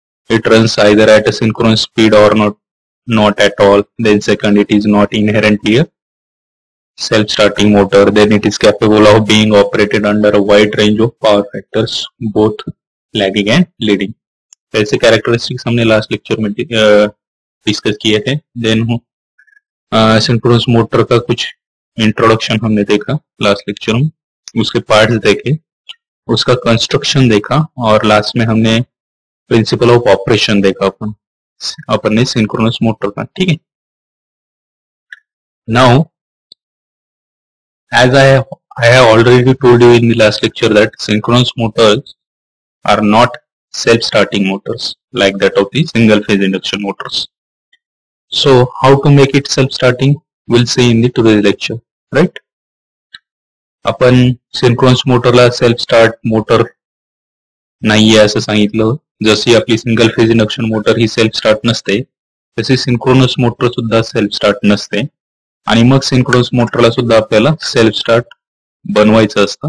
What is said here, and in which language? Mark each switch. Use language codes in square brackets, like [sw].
[en] It runs either at a synchronous speed or not at all. Then second, it is not inherently a self-starting motor. Then it is capable of being operated under a wide range of power factors, both lagging and leading. [hi] ऐसे characteristics हमने [en] last lecture [hi] में discuss किए थे. [en] Then synchronous motor [hi] का कुछ [en] introduction [hi] हमने देखा [en] last lecture में. [hi] उसके पार्ट देखे, उसका कंस्ट्रक्शन देखा और लास्ट में हमने प्रिंसिपल ऑफ ऑपरेशन देखा अपन ने सिंक्रोनस मोटर का. [en] ठीक है, now as I have already told you in the last lecture that synchronous motors are not self starting motors like that of the single phase induction motors. So how to make it self starting will see in the today's lecture. [mr] Right, upon synchronous मोटरला self start motor नाही आहे असं सांगितलं. जशी आपली single phase induction motor ही self start नसते, तशी synchronous motor सुद्धा सेल्फ स्टार्ट नसते. आणि मग सिंक्रोनस मोटरला सुद्धा आपल्याला सेल्फ स्टार्ट बनवायचं असतं.